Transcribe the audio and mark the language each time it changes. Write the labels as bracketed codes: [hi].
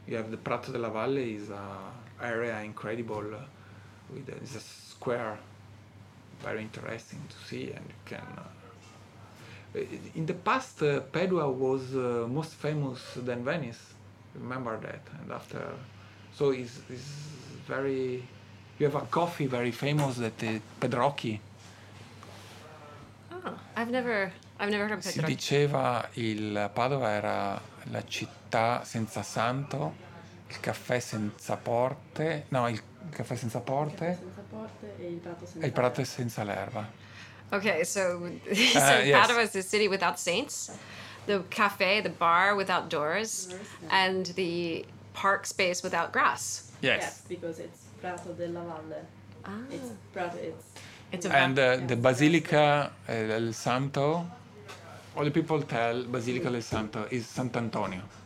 [en] You have the Prato della Valle is an area incredible with it's a square, very interesting to see, and you can. In the past, Padua was most famous than Venice. Remember that, and after, so is very. You have a coffee very famous that Pedrocchi. Oh, I've never heard of Pedrocchi. [it] Si diceva il Padova era la città senza santo, il caffè senza porte. No, il caffè senza porte. Il caffè senza porte e il prato senza. Il prato l'erba. Senza l'erba. [en] Okay, so yes. Padova is the city without saints, the cafe, the bar without doors, and the park space without grass. Yes, because it's Prato della Valle. Ah. It's Prato. It's. It's a and the Basilica del Santo, all the people tell Basilica del Santo is Sant'Antonio.